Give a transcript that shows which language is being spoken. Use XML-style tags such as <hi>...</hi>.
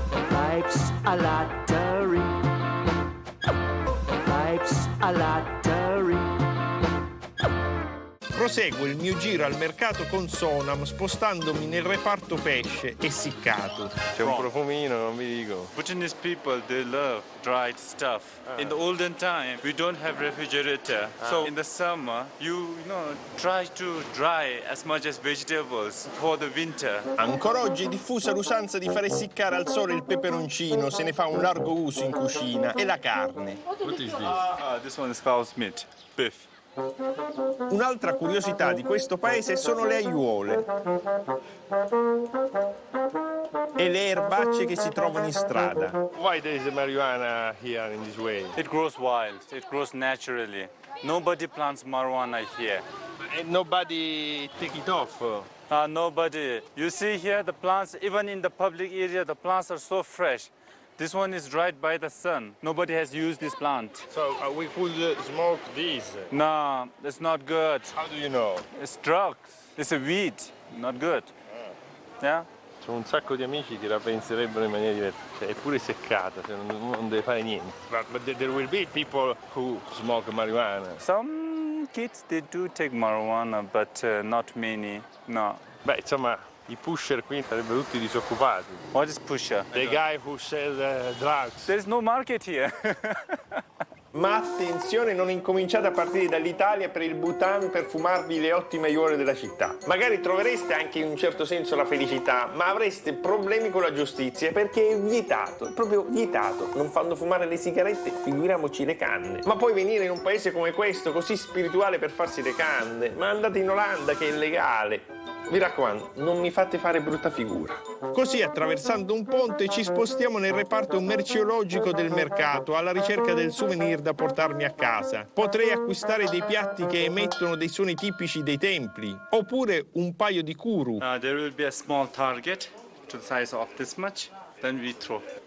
<en>Life's a lottery. Life's a lottery.</en> <it>Proseguo il mio giro al mercato con Sonam, spostandomi nel reparto pesce essiccato. C'è un profumino, non vi dico.</it> <en>Buttonese people, they love dried stuff. In the olden time, we don't have refrigerator. So in the summer, you know, try to dry as much as vegetables for the winter.</en> <it>Ancora oggi è diffusa l'usanza di far essiccare al sole il peperoncino, se ne fa un largo uso in cucina, e la carne.</it> <en>What is this? This one is cow's meat, beef.</en> <it>Un'altra curiosità di questo paese sono le aiuole e le erbacce che si trovano in strada.</it> <en>Why there is marijuana here in this way? It grows wild. It grows naturally. Nobody plants marijuana here. And nobody take it off. Nobody. You see here the plants, even in the public area, the plants are so fresh. This one is dried by the sun. Nobody has used this plant. So we could smoke this? No, it's not good. How do you know? It's drugs. It's a weed. Not good. Yeah?</en> <it>C'è un sacco di amici che la penserebbero in maniera diversa. Cioè, è pure seccata, cioè non deve fare niente.</it> <en>But there will be people who smoke marijuana. Some kids, they do take marijuana, but not many, no.</en> <it>Beh, insomma... I pusher qui sarebbero tutti disoccupati.</it> <en>What is pusher? The guy who sells drugs. There's no market here.</en> <it>Ma attenzione, non incominciate a partire dall'Italia per il Bhutan per fumarvi le ottime aiuole della città. Magari trovereste anche in un certo senso la felicità, ma avreste problemi con la giustizia perché è vietato, è proprio vietato. Non fanno fumare le sigarette, figuriamoci le canne. Ma poi venire in un paese come questo, così spirituale, per farsi le canne? Ma andate in Olanda che è illegale. Mi raccomando, non mi fate fare brutta figura. Così, attraversando un ponte, ci spostiamo nel reparto merceologico del mercato alla ricerca del souvenir da portarmi a casa. Potrei acquistare dei piatti che emettono dei suoni tipici dei templi, oppure un paio di kuru.</it> <en>There will be a small target to the size of this much, then we throw.</en>